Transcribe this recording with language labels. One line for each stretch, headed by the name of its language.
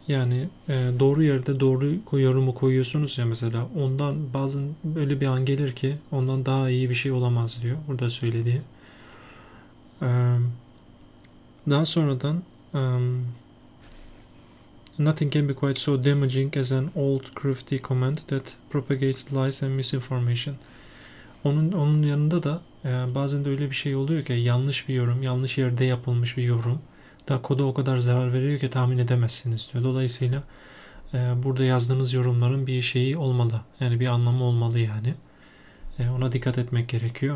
Turkish: Yani doğru yerde doğru yorumu koyuyorsunuz ya mesela. Ondan bazen böyle bir an gelir ki ondan daha iyi bir şey olamaz diyor. Burada söylediği. Daha sonradan
English: Nothing can be quite so damaging as an old crafty comment that propagates lies and misinformation.
Turkish: Onun yanında da bazen de öyle bir şey oluyor ki yanlış bir yorum, yanlış yerde yapılmış bir yorum da koda o kadar zarar veriyor ki tahmin edemezsiniz diyor. Dolayısıyla burada yazdığınız yorumların bir şeyi olmalı. Yani bir anlamı olmalı yani. Ona dikkat etmek gerekiyor.